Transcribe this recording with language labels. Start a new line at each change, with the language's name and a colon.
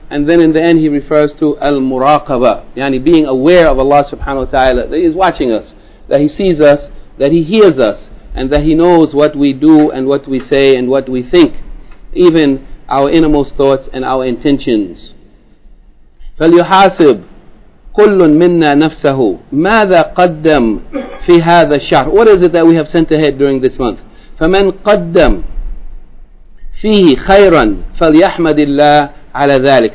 English: And then in the end, he refers to al-muraqaba. Yani, being aware of Allah subhanahu wa ta'ala, that He is watching us, that He sees us, that He hears us, and that He knows what we do and what we say and what we think, even our innermost thoughts and our intentions.
Arabic: فليحاسب كل منا نفسه ماذا قدم في هذا الشهر.
English: What is it that we have sent ahead during this month?
Arabic: فمن قدم فيه خيرا فليحمد الله على ذلك.